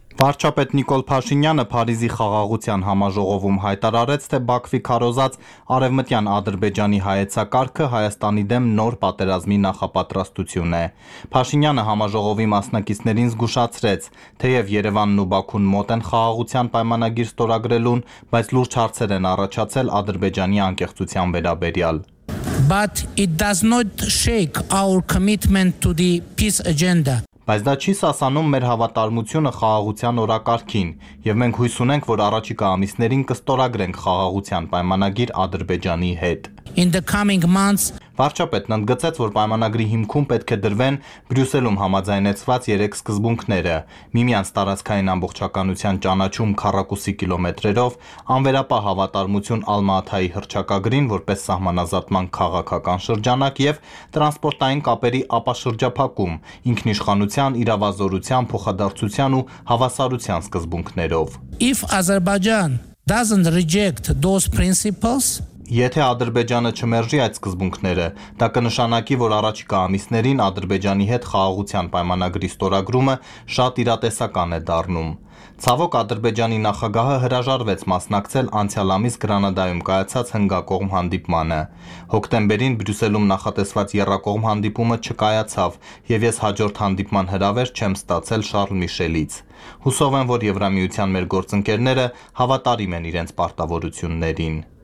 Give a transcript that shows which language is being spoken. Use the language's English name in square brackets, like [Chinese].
[Armenian] Վարչապետ Նիկոլ Փաշինյանը Փարիզի խաղաղության համաժողովում հայտարարեց, թե Բաքվի քարոզած արևմտյան Ադրբեջանի հայեցակարգը Հայաստանի դեմ նոր պատերազմի նախապատրաստություն է։ Փաշինյանը համաժողովի մասնակիցներին զգուշացրեց, թեև Երևանն ու Բաքուն մոտ են խաղաղության պայմանագիր ստորագրելուն, բայց լուրջ հարցեր են առաջացել Ադրբեջանի անկեղծության վերաբերյալ։ [English] But it does not shake our commitment to the peace agenda. [Armenian] Բայց դա չի սասանում մեր հավատարմությունը խաղաղության օրակարգին, և մենք հույս ունենք, որ առաջիկա ամիսներին կստորագրենք խաղաղության պայմանագիր Ադրբեջանի հետ։ [English] In the coming months, [Armenian] Վարչապետն ընդգծեց, որ պայմանագրի հիմքում պետք է դրվեն Բրյուսելում համաձայնեցված 3 սկզբունքները. միմյանց տարածքային ամբողջականության ճանաչում 40 կիլոմետրերով, անվերապահ հավատարմություն Ալմաաթայի հռչակագրին որպես սահմանազատման քաղաքական շրջանակ և տրանսպորտային կապերի ապաշրջափակում, ինքնիշխանության, իրավազորության, փոխադարձության ու հավասարության սկզբունքներով. [English] If Azerbaijan doesn't reject those principles, [Armenian] Եթե Ադրբեջանը չմերժի այդ սկզբունքները, դա կնշանակի, որ առաջիկա ամիսներին Ադրբեջանի հետ խաղաղության պայմանագրի ստորագրումը շատ իրատեսական է դառնում։ Ցավոք, Ադրբեջանի նախագահը հրաժարվեց մասնակցել անցյալ ամիս Գրանադայում կայացած հնգակողմ հանդիպմանը։ Հոկտեմբերին Բրյուսելում նախատեսված երրակողմ հանդիպումը չկայացավ, և ես հաջորդ հանդիպման հրավեր չեմ ստացել Շարլ Միշելից։ Հուսով եմ, որ Եվրամիության մեր գործընկերները հավատարիմ են իրենց պարտավորություններին։